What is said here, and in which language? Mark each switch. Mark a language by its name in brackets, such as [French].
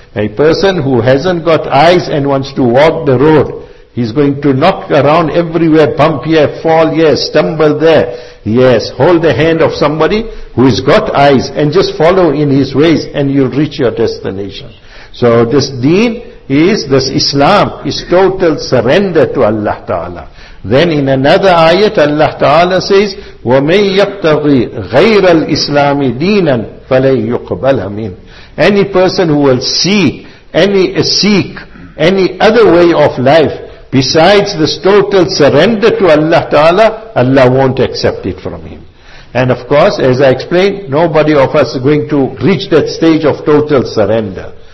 [English] A person who hasn't got eyes and wants to walk the road, he's going to knock around everywhere, bump here, fall here, stumble there. Yes, hold the hand of somebody who has got eyes and just follow in his ways and you'll reach your destination. So this deen is, this Islam is total surrender to Allah Ta'ala. Then in another ayat Allah Ta'ala says, [Arabic] وَمَنْ يَبْتَغِي غَيْرَ الْإِسْلَامِ دِينًا فَلَنْ يُقْبَلَ مِنْ. [English] Any person who will seek any other way of life besides this total surrender to Allah Ta'ala, Allah won't accept it from him. And of course, as I explained, nobody of us is going to reach that stage of total surrender.